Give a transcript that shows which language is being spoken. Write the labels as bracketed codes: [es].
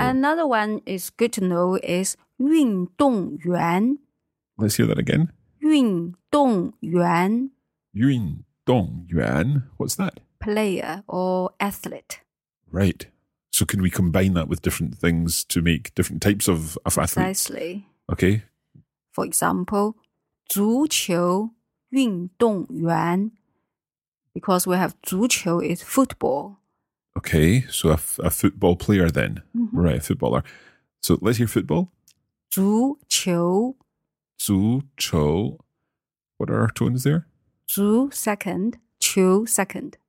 [en] Another one is good to know is 运动员. Let's hear that again. [zh] 运动员. 运动员. [en] What's that? Player or athlete. Right. So can we combine that with different things to make different types of athletes? Precisely. Okay. For example, [zh] 足球运动员. [en] Because we have 足球 is football. Okay. So a football player then. Mm-hmm. Right, a footballer. So let's hear football. [zh] 足球. 足球. [en] What are our tones there? 足 second, 球 second.